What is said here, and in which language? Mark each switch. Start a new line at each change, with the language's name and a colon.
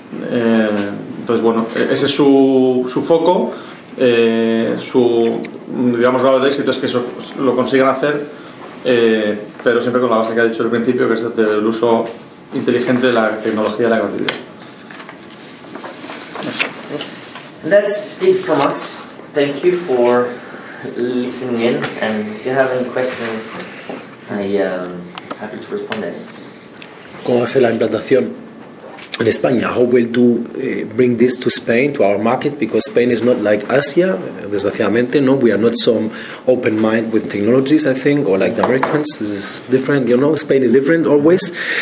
Spanish: Entonces, bueno, ese es su foco, su, digamos, grado de éxito es que eso lo consigan hacer, pero siempre con la base que ha dicho al principio, que es el uso inteligente de la tecnología y la creatividad.
English: That's it from us. Thank you for listening in, and if you have any questions, I'm happy to respond any.
Spanish: ¿Cómo va a ser la implantación en España?
English: How will you bring this to Spain, to our market? Because Spain is not like Asia,
Spanish: desgraciadamente, no?
English: We are not so open mind with technologies, I think, or like the Americans. This is different, you know, Spain is different always.